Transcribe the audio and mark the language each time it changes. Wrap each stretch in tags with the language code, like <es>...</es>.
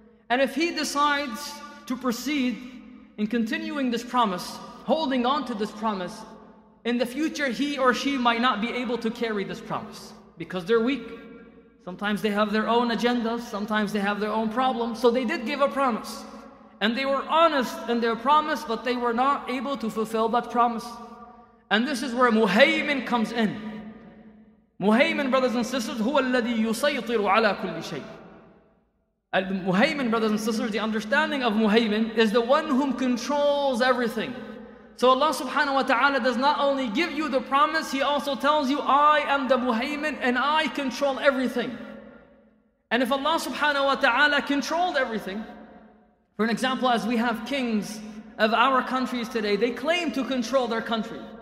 <en>And if he decides to proceed in continuing this promise, holding on to this promise, in the future he or she might not be able to carry this promise, because they're weak. Sometimes they have their own agendas, sometimes they have their own problems. So they did give a promise. And they were honest in their promise, but they were not able to fulfill that promise. And this is where Muhaymin comes in.</en> <ar>Muhaymin,</ar> <en>brothers and sisters,</en> <ar>هو الذي يسيطر على كل شيء.</ar> <en>Muhaymin, brothers and sisters, the understanding of Muhaymin is the one whom controls everything. So Allah subhanahu wa ta'ala does not only give you the promise, He also tells you, I am the Muhaymin and I control everything. And if Allah subhanahu wa ta'ala controlled everything, for an example, as we have kings of our countries today, they claim to control their country.</en>